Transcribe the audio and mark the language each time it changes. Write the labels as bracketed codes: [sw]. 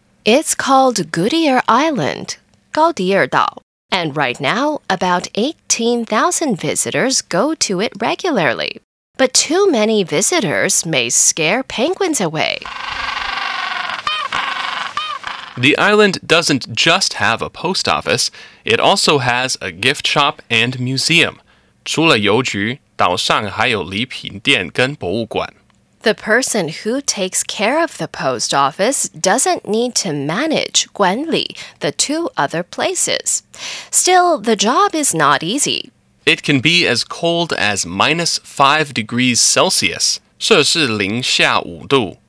[en] It's called Goudier Island, 高迪尔岛, and right now, about 18,000 visitors go to it regularly. But too many visitors may scare penguins away. The island doesn't just have a post office. It also has a gift shop and museum. [zh] 除了邮局，岛上还有礼品店跟博物馆。 [en] The person who takes care of the post office doesn't need to manage, 管理, the two other places. Still, the job is not easy. It can be as cold as -5°C, [zh] 摄氏零下五度,